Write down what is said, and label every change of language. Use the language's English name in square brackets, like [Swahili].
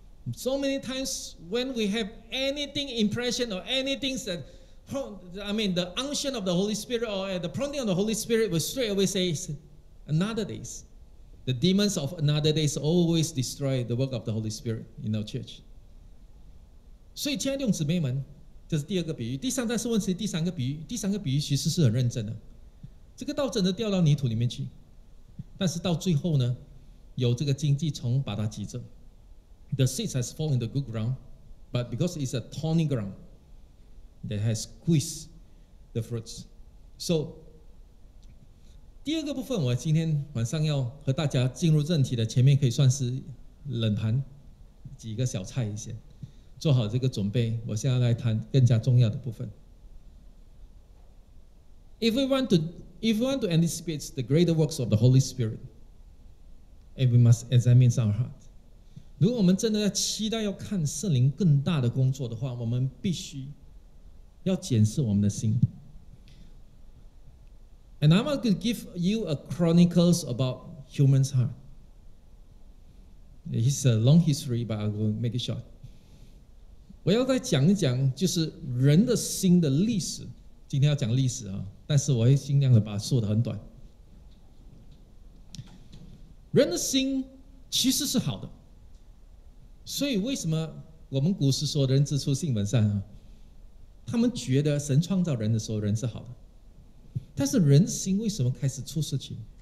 [English] So many times when we have anything impression or anything that, I mean, the unction of the Holy Spirit or the prompting of the Holy Spirit will straight away say, another days. The demons of another days always destroy the work of the Holy Spirit in our church. [Chinese] 所以亲爱的弟兄姊妹们，这是第二个比喻。第三段是问题，第三个比喻，第三个比喻其实是很认真的。这个道真的掉到泥土里面去，但是到最后呢，有这个荆棘虫把它挤着。 [English] The seeds has fallen in the good ground, but because it's a thorny ground, that has squeezed the fruits. [Chinese] So, 第二个部分，我今天晚上要和大家进入正题的，前面可以算是冷盘，几个小菜一些，做好这个准备。我现在来谈更加重要的部分。 [English] If we want to anticipate the greater works of the Holy Spirit, we must examine our heart. [Chinese] 如果我们真的要期待要看圣灵更大的工作的话，我们必须要检视我们的心。 [English] And I'm going to give you a chronicles about human's heart. It's a long history, but I will make it short. [Chinese] 我要再讲一讲就是人的心的历史。今天要讲历史啊，但是我会尽量的把它说得很短。人的心其实是好的。所以为什么我们古时说人之初性本善、啊、他们觉得神创造人的时候人是好的，但是人心为什么开始出事情？